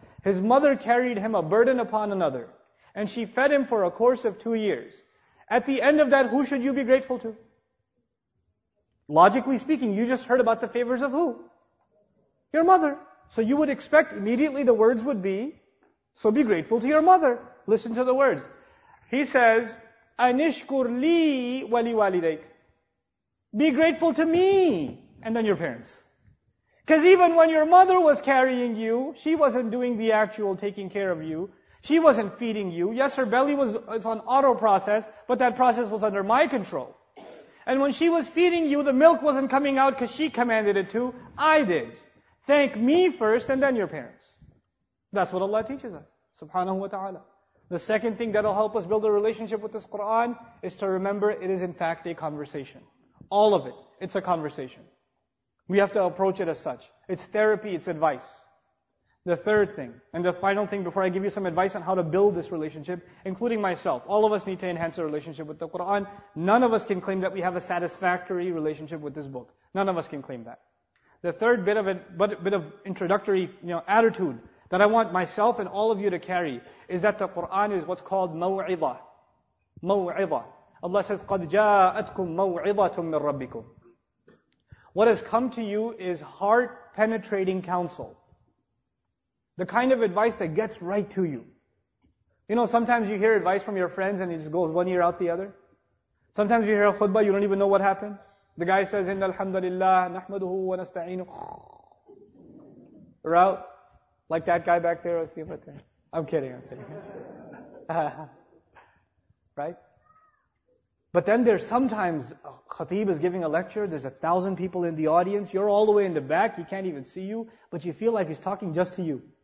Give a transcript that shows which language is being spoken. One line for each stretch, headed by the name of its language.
English: His mother carried him, a burden upon another. And she fed him for a course of 2 years. At the end of that, who should you be grateful to? Logically speaking, you just heard about the favors of who? Your mother. So you would expect immediately the words would be, so be grateful to your mother. Listen to the words. He says,
Arabic: أَنِشْكُرْ لِي وَلِوَالِدَيْكَ.
English: Be grateful to me. And then your parents. Because even when your mother was carrying you, she wasn't doing the actual taking care of you. She wasn't feeding you. Yes, her belly was on auto process, but that process was under my control. And when she was feeding you, the milk wasn't coming out because she commanded it to. I did. Thank me first and then your parents. That's what Allah teaches us. Subhanahu wa ta'ala. The second thing that'll help us build a relationship with this Quran is to remember it is in fact a conversation. All of it. It's a conversation. We have to approach it as such. It's therapy, it's advice. The third thing, and the final thing before I give you some advice on how to build this relationship, including myself, all of us need to enhance our relationship with the Quran. None of us can claim that we have a satisfactory relationship with this book. None of us can claim that. The third bit of introductory, attitude that I want myself and all of you to carry is that the Quran is what's called maw'idah. Maw'idah. Allah says,
Arabic: قَدْ جَاءَتْكُمْ مَوْعِضَةٌ مِّن رَبِّكُمْ.
English: What has come to you is heart-penetrating counsel. The kind of advice that gets right to you. You know, sometimes you hear advice from your friends and it just goes one ear out the other. Sometimes you hear a khutbah, you don't even know what happened. The guy says,
Arabic: إِنَّ الْحَمْدَ لِلَّهِ نَحْمَدُهُ وَنَسْتَعِينُ.
English: Or out. Like that guy back there. I'm kidding. Right? But then there's sometimes a khatib is giving a lecture, there's 1,000 people in the audience, you're all the way in the back, he can't even see you, but you feel like he's talking just to you.